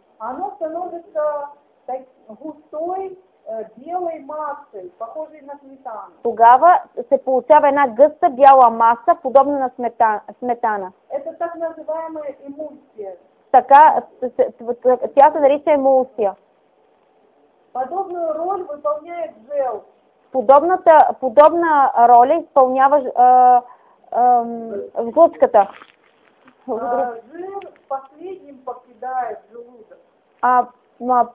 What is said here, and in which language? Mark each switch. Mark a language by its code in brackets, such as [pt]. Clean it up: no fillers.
[ru] Оно становится так, густой белой массой, похожей на сметану. [bg] Тогава се получава една гъста бяла маса, подобна на сметана. [ru] Это так называемая эмульсия. [bg] Така, тя се нарича емулсия. [ru] Подобную роль выполняет жел. [bg] Подобна роля изпълнява жлъчката. [ru] Жел последним покидает желудок.